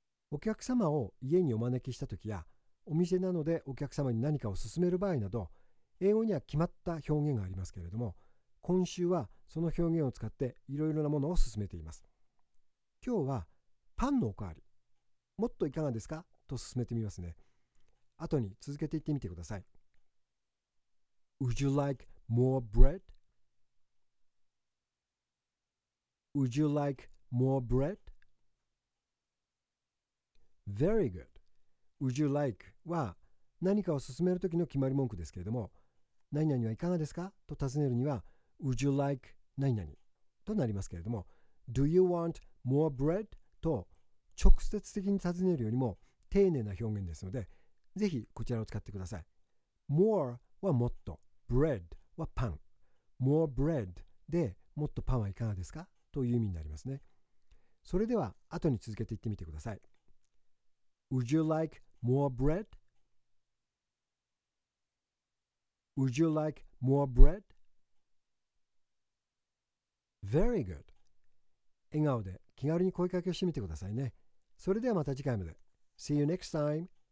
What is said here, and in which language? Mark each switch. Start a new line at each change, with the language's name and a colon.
Japanese: お客様を家にお招きしたときや、お店なのでお客様に何かを勧める場合など、英語には決まった表現がありますけれども、今週はその表現を使っていろいろなものを進めています。今日はパンのおかわり、もっといかがですかと進めてみますね。後に続けていってみてください。
English: Would you like more bread? Would you like more bread? Very good.
Japanese: Would you like は何かを進めるときの決まり文句ですけれども、何々はいかがですかと尋ねるには、Would you like 何々となりますけれども、
English: Do you want more bread?
Japanese: と直接的に尋ねるよりも丁寧な表現ですので、ぜひこちらを使ってください。 More はもっと、Bread はパン。More bread でもっとパンはいかがですかという意味になりますね。それでは後に続けていってみてください。
English: Would you like more bread? Would you like more bread? Very good.
Japanese: 笑顔で気軽に声かけをしてみてくださいね。それではまた次回まで。
English: See you next time.